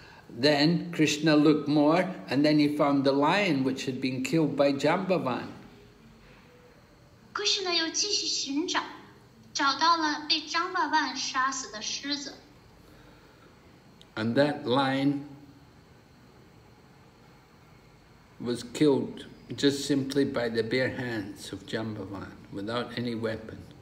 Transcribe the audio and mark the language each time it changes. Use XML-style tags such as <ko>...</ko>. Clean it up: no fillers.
<en>Then Krishna looked more and then he found the lion which had been killed by Jambavan.</en> <zh>Krishna 又继续寻找。找到了被张爸爸杀死的狮子。</zh> <en>And that lion was killed just simply by the bare hands of Jambavan without any weapon.</en>